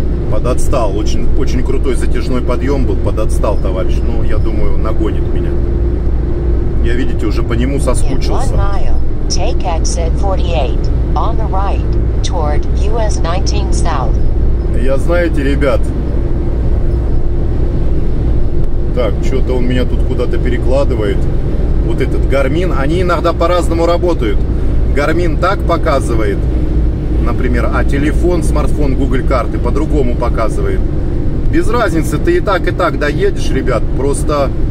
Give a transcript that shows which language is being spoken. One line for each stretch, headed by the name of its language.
Russian: Подотстал. Очень, очень крутой затяжной подъем был. Подотстал, товарищ. Ну, я думаю, нагонит меня. Я, видите, уже по нему соскучился.
English: Take exit 48 on the right toward US 19 south.
Russian: Я, знаете, ребят. Так, что-то он меня тут куда-то перекладывает. Вот этот Garmin, они иногда по-разному работают. Garmin так показывает, например, а телефон, смартфон, Google карты по-другому показывает. Без разницы, ты и так доедешь, ребят, просто...